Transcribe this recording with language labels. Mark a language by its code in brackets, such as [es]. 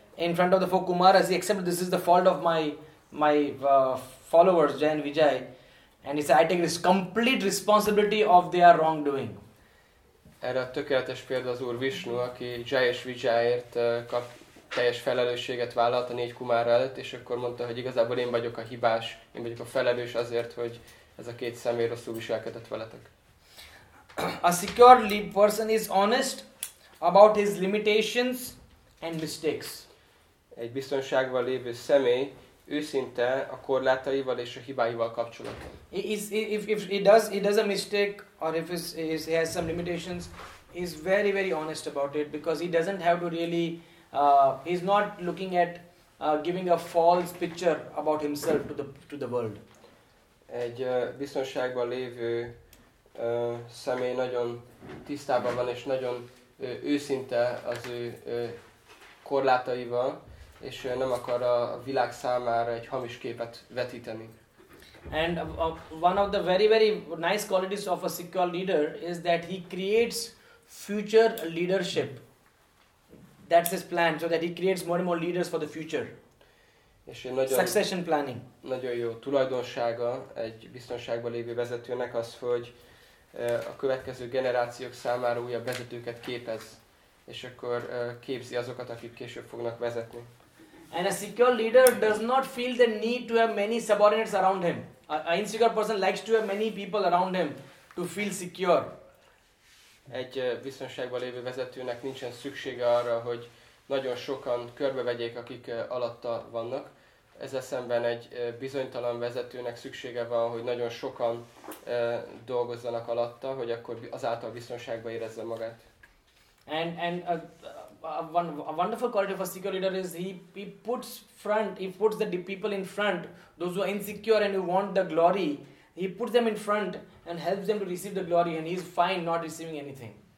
[en] In front of the four Kumaras, he accepted this is the fault of my followers, Jai and Vijay. And he said, I take this complete responsibility of their wrongdoing. [hu] Erre a tökéletes példa az Úr Vishnu, aki Jai és Vijayért kap teljes felelősséget vállalt a négy kumára előtt, és akkor mondta, hogy igazából én vagyok a hibás, én vagyok a felelős azért, hogy ez a két személy rosszul viselkedett veletek. [en] A secure person is honest about his limitations and mistakes. [hu] Egy biztonságban lévő személy őszinte a korlátaival és a hibáival kapcsolatban. [en] If he does a mistake, or if he has some limitations, he's very very honest about it, because he doesn't have to really he's not looking at giving a false picture about himself to the world. [hu] Egy biztonságban lévő személy nagyon tisztában van, és nagyon őszinte az ő korlátaival, és nem akar a világ számára egy hamis képet vetíteni. [en] And one of the very very nice qualities of a secure leader is that he creates future leadership. That's his plan, so that he creates more and more leaders for the future. [hu] És nagyon, [en] succession planning. [hu] Nagyon jó tulajdonsága egy biztonságban lévő vezetőnek az, hogy a következő generációk számára újabb vezetőket képez, és akkor képzi azokat, akik később fognak vezetni. [en] And a secure leader does not feel the need to have many subordinates around him. An insecure person likes to have many people around him to feel secure. [hu] Egy biztonságban lévő vezetőnek nincsen szüksége arra, hogy nagyon sokan körbevegyék, akik alatta vannak. Ezzel szemben egy bizonytalan vezetőnek szüksége van, hogy nagyon sokan dolgozzanak alatta, hogy akkor azáltal biztonságban érezze magát. [en] And a wonderful quality of a secure leader is he puts the people in front, those who are insecure and who want the glory. He puts them in front and helps them to receive the glory, and he's fine not receiving anything.